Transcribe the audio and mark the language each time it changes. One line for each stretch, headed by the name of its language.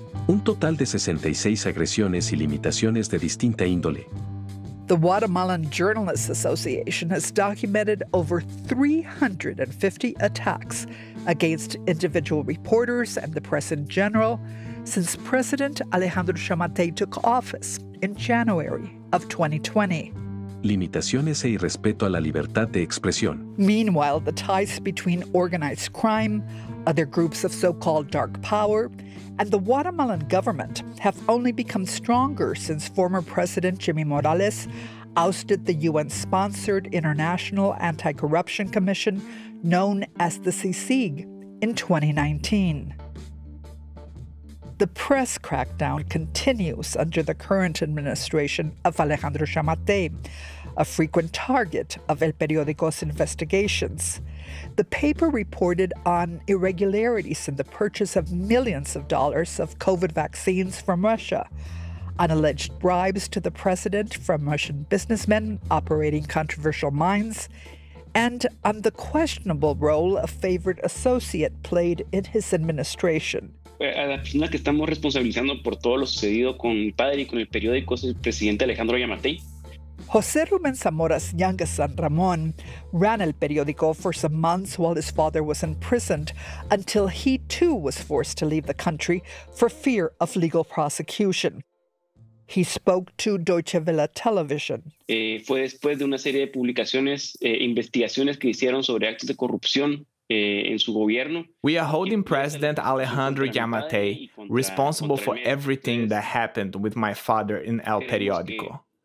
Spanish: Un total de 66 agresiones y limitaciones de distinta índole.
English: The Guatemalan Journalists Association has documented over 350 attacks against individual reporters and the press in general since President Alejandro Xiamatei took office in January of 2020.
Spanish: Limitaciones e irrespeto a la libertad de expresión.
English: Meanwhile, the ties between organized crime, other groups of so-called dark power, and the Guatemalan government have only become stronger since former President Jimmy Morales ousted the UN-sponsored International Anti-Corruption Commission, known as the CICIG, in 2019. The press crackdown continues under the current administration of Alejandro Xiamatei, a frequent target of El Periódico's investigations. The paper reported on irregularities in the purchase of millions of dollars of COVID vaccines from Russia, on alleged bribes to the president from Russian businessmen operating controversial mines, and on the questionable role a favorite associate played in his administration.
Spanish: A la persona que estamos responsabilizando por todo lo sucedido con mi padre y con el periódico es el presidente Alejandro Xiamatei.
English: José Rubén Zamora's youngest son, Ramón, ran El Periódico for some months while his father was imprisoned until he, too, was forced to leave the country for fear of legal prosecution. He spoke to Deutsche Welle Television.
Spanish: Fue después de una serie de publicaciones, investigaciones que hicieron sobre actos de corrupción.
English: We are holding President Alejandro Xiamatei responsible for everything that happened with my father in El Periódico.